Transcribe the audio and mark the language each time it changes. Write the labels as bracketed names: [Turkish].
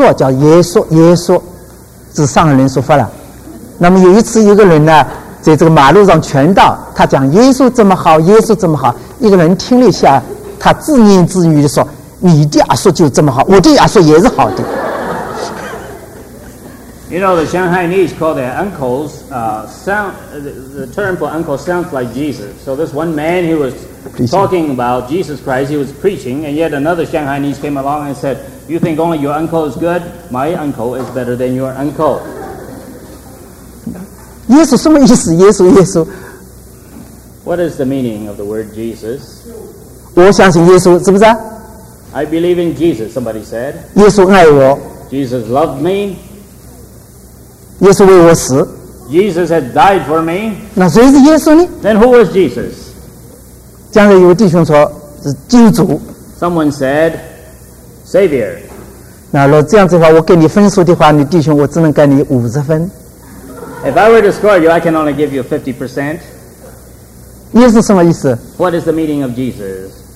[Chinese] 我还总记得这一个笑话，上海人这个他叫叔叔，叫耶稣，指上海人说法了。那么有一次，一个人呢，在这个马路上传道，他讲耶稣这么好，耶稣这么好，一个人听了一下，他自言自语地说：“你的阿叔就这么好，我的阿叔也是好的。” [English] You know the Shanghainese call their uncles sound the term for uncle sounds like Jesus. So this one man who was talking about Jesus Christ, he was preaching, and yet another Shanghainese came along and said, "You think only your uncle is good? My uncle is better than your uncle." [Chinese] 耶稣什么意思？耶稣。 [English] What is the meaning of the word Jesus? [Chinese] 我相信耶稣，是不是？ [English] I believe in Jesus, somebody said. [Chinese] 耶稣爱我。 [English] Jesus loved me. [Chinese] 耶稣为我死。 [English] Jesus had died for me. [Chinese] 那谁是耶稣呢？ [English] Then who was Jesus? [Chinese] 将来有弟兄说是救主。 [English] Someone said, Savior. [Chinese] 那如果这样子的话，我给你分数的话，你弟兄，我只能给你50分。 [English] If I were to score you, I can only give you 50%. [Chinese] 耶稣什么意思？ [English] What is the meaning of Jesus?